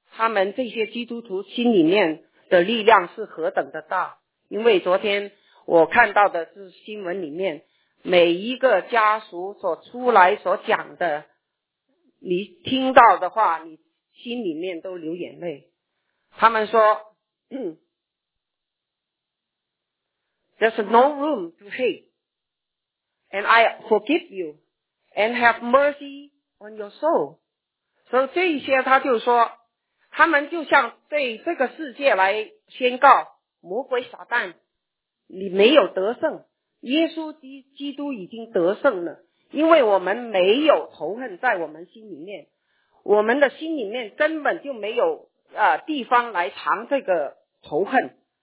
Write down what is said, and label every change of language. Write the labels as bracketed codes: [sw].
[zh] 他们这些基督徒心里面的力量是何等的大。因为昨天我看到的是新闻里面每一个家属所出来所讲的，你听到的话你心里面都流眼泪。他们说 [en] There's no room to hate, and I forgive you and have mercy on your soul. [zh] 所以这些他就说，他们就像对这个世界来宣告，魔鬼撒旦，你没有得胜，耶稣基督已经得胜了，因为我们没有仇恨在我们心里面，我们的心里面根本就没有地方来藏这个仇恨，